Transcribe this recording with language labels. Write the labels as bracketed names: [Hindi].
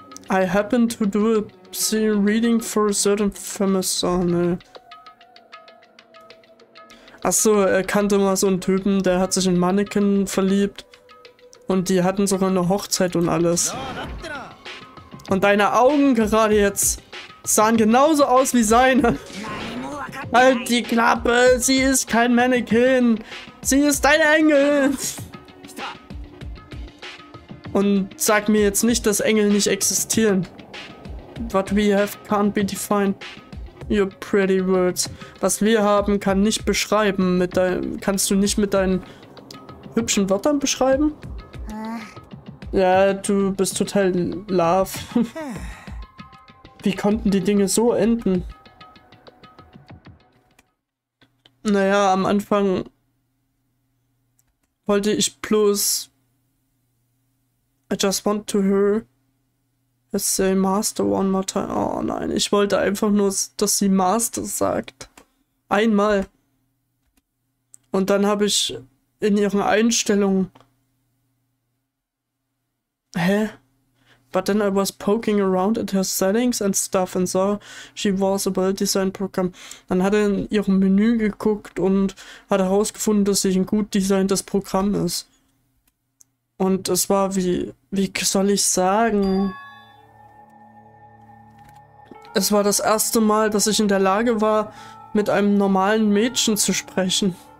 [English] I happen to do a scene reading for a certain famous... [German] Oh, ne. Achso, er kannte mal so einen Typen, der hat sich in Mannequin verliebt. Und die hatten sogar eine Hochzeit und alles. Und deine Augen gerade jetzt sahen genauso aus wie seine. Halt die Klappe! Sie ist kein Mannequin! Sie ist ein Engel! Und sag mir jetzt nicht, dass Engel nicht existieren. [English] What we have can't be defined. Your pretty words. [German] Was wir haben, kann nicht beschreiben. Kannst du nicht mit deinen hübschen Wörtern beschreiben? Ja, du bist total love. Wie konnten die Dinge so enden? Naja, am Anfang wollte ich bloß [English] I just want to hear her say Master one more time. [German] Oh nein, ich wollte einfach nur, dass sie Master sagt. Einmal. Und dann habe ich in ihren Einstellungen. Hä? [English] But then I was poking around at her settings and stuff and saw she was a well-designed program. [German] Dann hat er in ihrem Menü geguckt und hat herausgefunden, dass sie ein gut designtes Programm ist. Und es war wie soll ich sagen? Es war das erste Mal, dass ich in der Lage war, mit einem normalen Mädchen zu sprechen.